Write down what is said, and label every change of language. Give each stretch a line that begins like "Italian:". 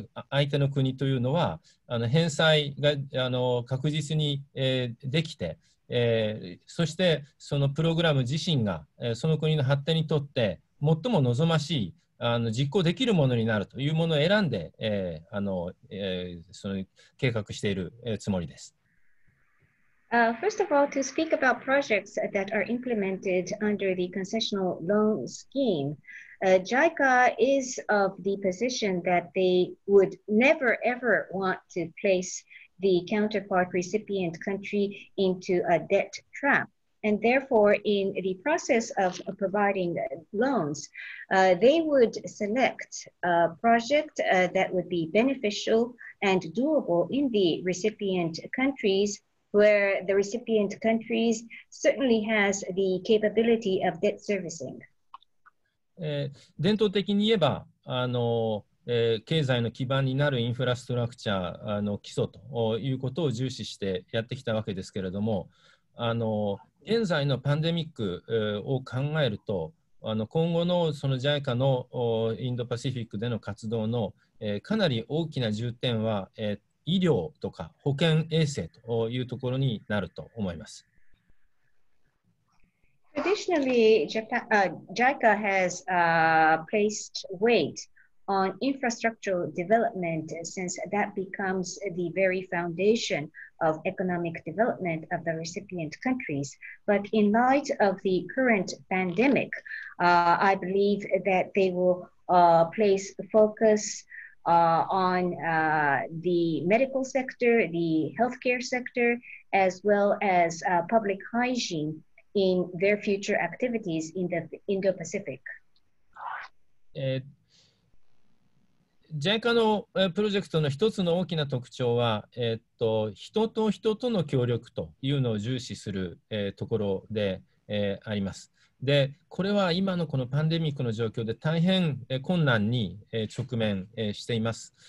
Japanese: 相手の国というのは返済が確実にできて、そしてそのプログラム自身がその国の発展にとって最も望ましい実行できるものになるというものを選んで、その計画しているつもりです。
English: First of all, to speak about projects that are implemented under the concessional loan scheme, JICA is of the position that they would never ever want to place the counterpart recipient country into a debt trap. And therefore, in the process of providing loans, they would select a project that would be beneficial and doable in the recipient countries, where the recipient countries certainly has the capability of debt servicing.
Japanese: 伝統的に言えば、経済の基盤になるインフラストラクチャーの基礎ということを重視してやってきたわけですけれども、現在のパンデミックを考えると今後のその JICA のインドパシフィックでの活動のかなり大きな重点は医療とか保健衛生というところになると思います。
English: Traditionally, JICA has placed weight on infrastructural development since that becomes the very foundationof economic development of the recipient countries. But in light of the current pandemic, I believe that they will place focus on the medical sector, the healthcare sector, as well as public hygiene in their future activities in the Indo-Pacific.
Japanese: JICA のプロジェクトの一つの大きな特徴は、人と人との協力というのを重視する、ところで、あります。で、これは今のこのパンデミックの状況で大変、困難に、直面、しています。